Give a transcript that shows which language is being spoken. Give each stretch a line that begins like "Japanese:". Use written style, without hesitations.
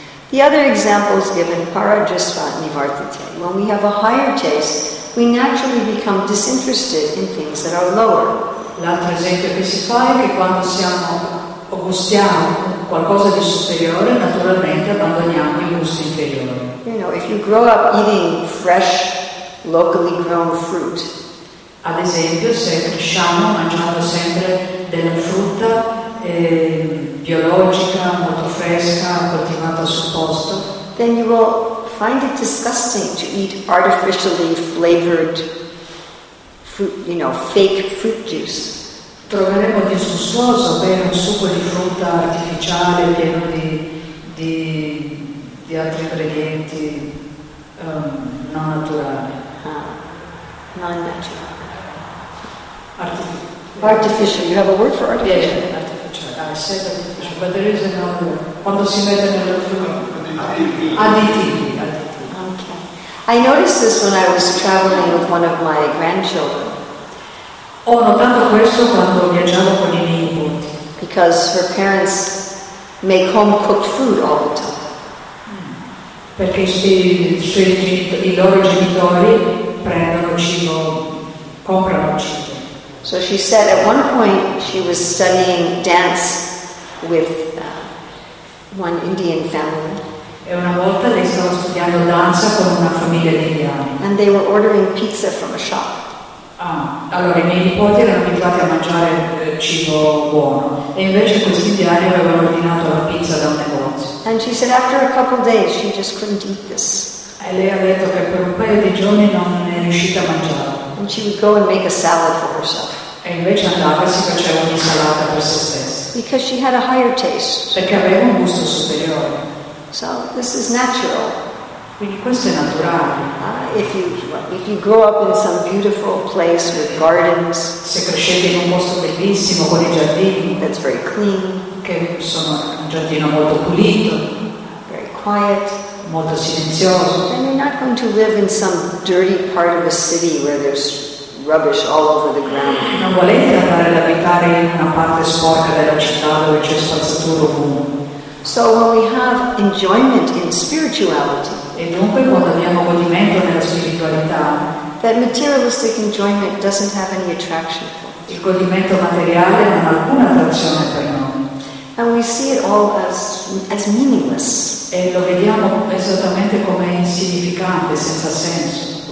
English: The other example is given Parajasva Nivartite. When we have a higher taste, we naturally become disinterested in things that are lower.
Italian: L'altro esempio che si fa è che quando siamo o gustiamo qualcosa di superiore, naturalmente abbandoniamo il gusto inferiore.
English: You know, if you grow up eating fresh, locally grown fruit.
Italian: Ad esempio, se cresciamo mangiando sempre della frutta biologica, molto fresca, coltivata sul posto,
English: then you will find it disgusting to eat artificially flavored fruit, you know, fake fruit juice.
Italian: Troveremo disgustoso bere un succo di frutta artificiale pieno di altri ingredienti non naturali. Non naturale.
English: Artificial. You have a word for artificial? Yeah, artificial. I said artificial, but there is another.
Italian: Quando si mette nella frutta. Additivi.
English: I noticed this when I was traveling with one of my grandchildren.
Italian: Ho notato questo quando viaggiavo con i miei nipoti.
English: Because her parents make home cooked food all the time.
Italian: Perché i loro genitori prendono cibo, comprano cibo.
English: So she said at one point she was studying dance with one Indian family.
Italian: E una volta lei stava studiando danza con una famiglia di indiani.
English: And they were ordering pizza from a shop.
Italian: Ah, allora i miei nipoti erano abituati a mangiare cibo buono. E invece questi indiani avevano ordinato la pizza da un negozio.
English: And she said after a couple of days she just couldn't eat this.
Italian: E lei ha detto che per un paio di giorni non è riuscita a mangiare.
English: And she would go and make a salad for herself.
Italian: E invece andava e si faceva un'insalata per se stessa.
English: Because she had a higher taste.
Italian: Perché aveva un gusto superiore.
English: So this is natural.
Italian: Quindi questo è naturale.
English: If you grow up in some beautiful place with gardens,
Italian: se crescete in un posto bellissimo con i giardini,
English: that's very clean,
Italian: che sono un giardino molto pulito,
English: very quiet,
Italian: molto silenzioso,
English: then you're not going to live in some dirty part of a city where there's rubbish all over the ground.
Italian: Non volete andare ad abitare in una parte sporca della città dove c'è spazzatura ovunque.
English: So when we have enjoyment in spirituality,
Italian: e dunque quando abbiamo godimento nella spiritualità,
English: that materialistic enjoyment doesn't have any attraction for us.
Italian: Il godimento materiale non ha alcuna attrazione per noi.
English: And we see it all as meaningless.
Italian: E lo vediamo esattamente come insignificante, senza senso.